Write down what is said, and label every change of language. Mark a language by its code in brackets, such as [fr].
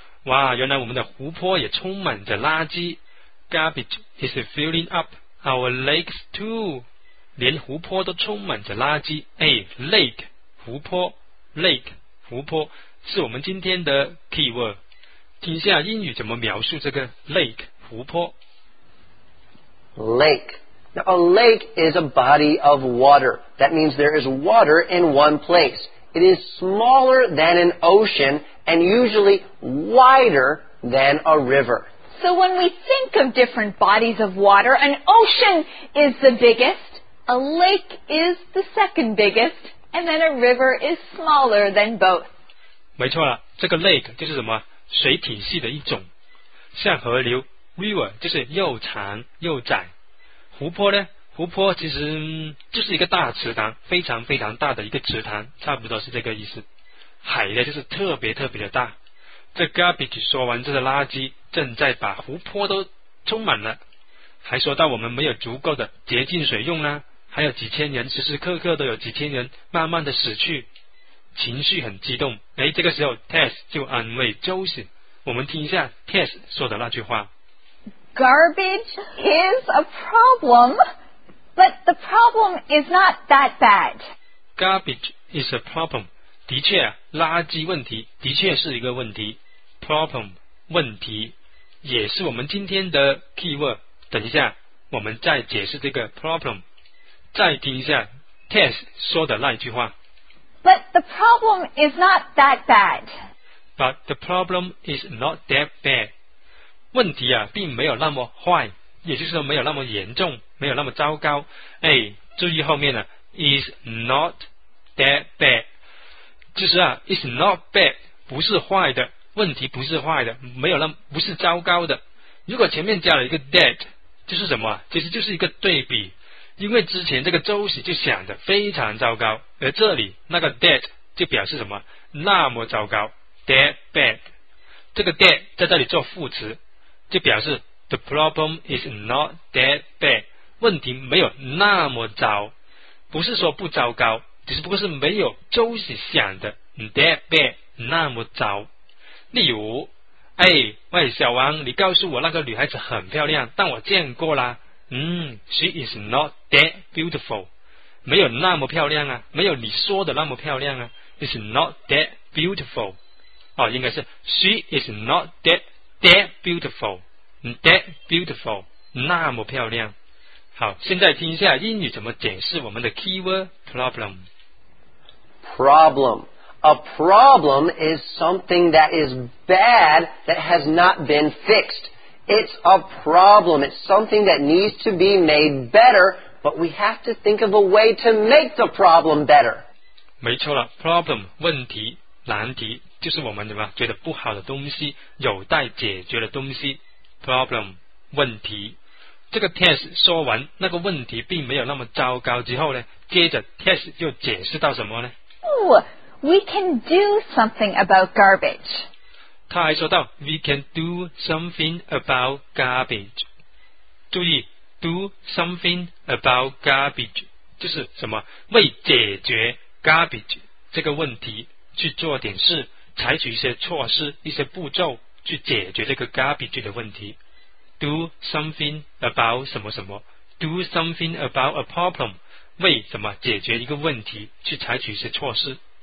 [zh] 哇，原来我们的湖泊也充满着垃圾。 [en] Garbage is filling up our lakes too。 [zh] 连湖泊都充满着垃圾。哎 ，lake 湖泊 ，lake 湖泊是我们今天的 keyword。听一下英语怎么描述这个 lake 湖泊。 [en] Lake. Now, a lake is a body of water. That means there is water in one place. It is smaller than an ocean and usually wider than a river. So when we think of different bodies of water, an ocean is the biggest, a lake is the second biggest, and then a river is smaller than both. [zh] 没错了，这个 lake 就是什么水体系的一种，像河流。 River 就是又长又窄，湖泊呢？湖泊其实就是一个大池塘，非常非常大的一个池塘，差不多是这个意思。海呢，就是特别特别的大。这 garbage 说完，这个垃圾正在把湖泊都充满了。还说到我们没有足够的洁净水用啦，还有几千人，时时刻刻都有几千人慢慢的死去，情绪很激动。哎，这个时候 Tess 就安慰 Joseph， 我们听一下 Tess 说的那句话。 [en] Garbage is a problem, but the problem is not that bad. Garbage is a problem. [zh] 的确，垃圾问题的确是一个问题。Problem 问题也是我们今天的 keyword。等一下，我们再解释这个 problem。再听一下 Tess 说的那句话。 [en] But the problem is not that bad. But the problem is not that bad. [zh] 问题啊，并没有那么坏，也就是说没有那么严重，没有那么糟糕。哎，注意后面呢 ， [en] is not that bad， [zh] 就是啊 ， [en] is not bad， [zh] 不是坏的，问题不是坏的，没有那么不是糟糕的。如果前面加了一个 that， 就是什么？其实就是一个对比，因为之前这个周喜就想的非常糟糕，而这里那个 that 就表示什么？那么糟糕 ， [en] that bad。 [zh] 这个 that 在这里做副词。就表示 [en] the problem is not that bad， [zh] 问题没有那么糟，不是说不糟糕，只是不过是没有周喜想的 [en] that bad [zh] 那么糟。例如，哎，喂，小王，你告诉我那个女孩子很漂亮，但我见过啦， [en] she is not that beautiful， [zh] 没有那么漂亮啊，没有你说的那么漂亮啊 ， [en] is not that beautiful， [zh] 哦，应该是 [en] she is not that。 That beautiful, that beautiful, [zh] 那么漂亮。好，现在听一下英语怎么解释我们的 keyword problem。 [en] Problem. A problem is something that is bad that has not been fixed. It's a problem. It's something that needs to be made better, but we have to think of a way to make the problem better. [zh] 没错了 ,problem, 问题难题就是我们觉得不好的东西，有待解决的东西 ，problem 问题。这个 test 说完那个问题并没有那么糟糕之后呢，接着 test 又解释到什么呢 [en] ？Oh, we can do something about garbage. [zh] 他还说到 [en] ，we can do something about garbage. [zh] 注意 ， [en] do something about garbage [zh] 就是什么？为解决 garbage 这个问题去做点事。采取一些措施一些步骤去解决这个 garbage 的问题 [en] do something about [zh] 什么什么 [en] do something about a problem [zh] 为什么解决一个问题去采取一些措施